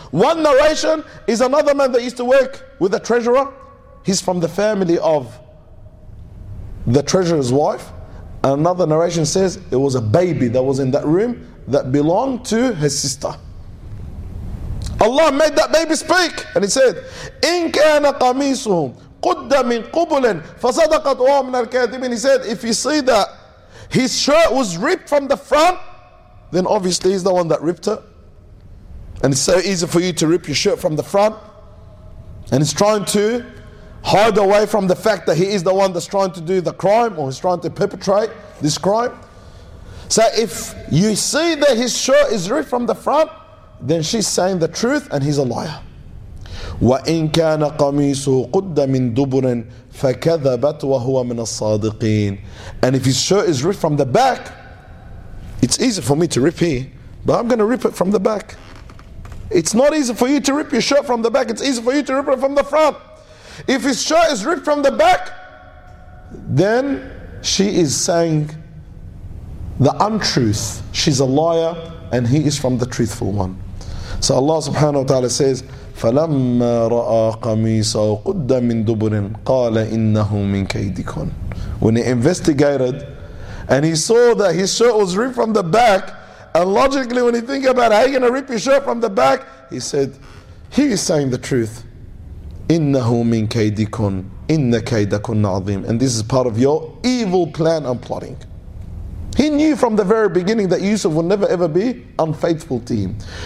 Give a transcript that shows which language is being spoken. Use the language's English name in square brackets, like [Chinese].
[English] One narration is another man that used to work with the treasurer. He's from the family of the treasurer's wife. Another narration says it was a baby that was in that room that belonged to her sister. Allah made that baby speak. And he said, [Arabic] إِنْ كَانَ قَمِيسُهُ قُدَّ مِنْ قُبُلٍ فَصَدَقَتْ وَهُ مِنَ الْكَاذِبِينَ. [English] He said, if you see that his shirt was ripped from the front, then obviously he's the one that ripped it. And it's so easy for you to rip your shirt from the front. And he's trying to hide away from the fact that he is the one that's trying to do the crime, or he's trying to perpetrate this crime. So if you see that his shirt is ripped from the front, then she's saying the truth and he's a liar. [Arabic] وَإِنْ كَانَ قَمِيسُهُ قُدَّ مِنْ دُبُرٍ فَكَذَبَتْ وَهُوَ مِنَ الصَّادِقِينَ. [English] And if his shirt is ripped from the back, it's easy for me to rip here, but I'm going to rip it from the back. It's not easy for you to rip your shirt from the back. It's easy for you to rip it from the front. If his shirt is ripped from the back, then she is saying the untruth. She's a liar and he is from the truthful one. So Allah subhanahu wa ta'ala says, [Arabic] فَلَمَّا رَأَى قَمِيسَهُ قُدَّ مِنْ دُبُرٍ قَالَ إِنَّهُ مِنْ كَيْدِكُنْ. [English] When he investigated and he saw that his shirt was ripped from the back, and logically when you think about it, how are you going to rip your shirt from the back? He said, he is saying the truth. [Arabic] إِنَّهُ مِنْ كَيْدِكُنْ إِنَّ كَيْدَكُنْ عَظِيمٌ. [English] And this is part of your evil plan and plotting. He knew from the very beginning that Yusuf would never ever be unfaithful to him.